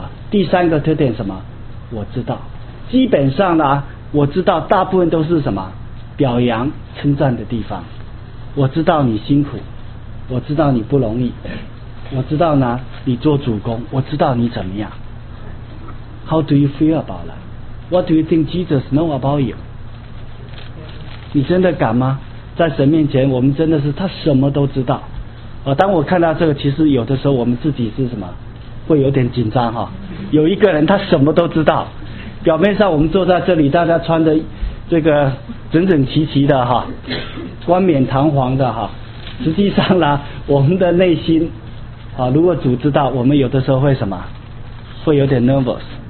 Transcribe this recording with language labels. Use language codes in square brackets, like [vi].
[zh] 第三个特点什么？我知道。基本上呢，我知道大部分都是什么？表扬、称赞的地方。我知道你辛苦，我知道你不容易，我知道呢，你做主工，我知道你怎么样。 [en] How do you feel about that? What do you think Jesus know about you? [zh] 你真的敢吗？在神面前，我们真的是他什么都知道。当我看到这个，其实有的时候我们自己是什么，会有点紧张哈。有一个人他什么都知道，表面上我们坐在这里，大家穿的这个整整齐齐的哈，冠冕堂皇的哈，实际上呢，我们的内心啊，如果主知道，我们有的时候会什么，会有点 nervous。